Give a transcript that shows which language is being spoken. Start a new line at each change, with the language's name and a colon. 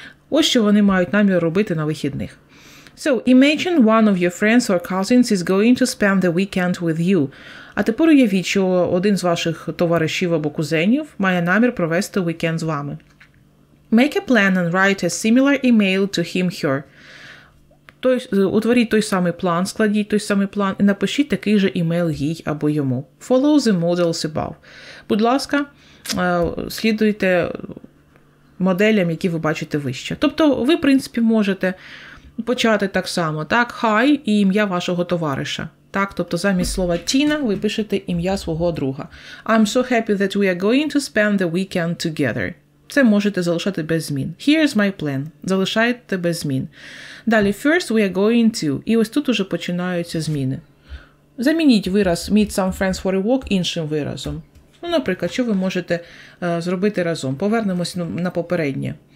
Ukrainian: Ось що вони мають намір робити на вихідних.
English: So, imagine one of your friends or cousins is going to spend the weekend with you.
Ukrainian: А тепер уявіть, що один з ваших товаришів або кузенів має намір провести weekend з вами.
English: Make a plan and write a similar email to him/her.
Ukrainian: Утворіть той самий план, складіть той самий план і напишіть такий же email їй або йому.
English: Follow the models above.
Ukrainian: Будь ласка, слідуйте моделям, які ви бачите вище. Тобто, ви, в принципі, можете почати так само. Так, hi і ім'я вашого товариша. Так, тобто, замість слова Тіна ви пишете ім'я свого друга.
English: I'm so happy that we are going to spend the weekend together.
Ukrainian: Це можете залишати без змін.
English: Here's my plan.
Ukrainian: Залишайте без змін. Далі,
English: first we are going to.
Ukrainian: І ось тут уже починаються зміни. Замініть вираз
English: meet some friends for a walk
Ukrainian: іншим виразом. Ну, наприклад, що ви можете зробити разом? Повернемось на попереднє.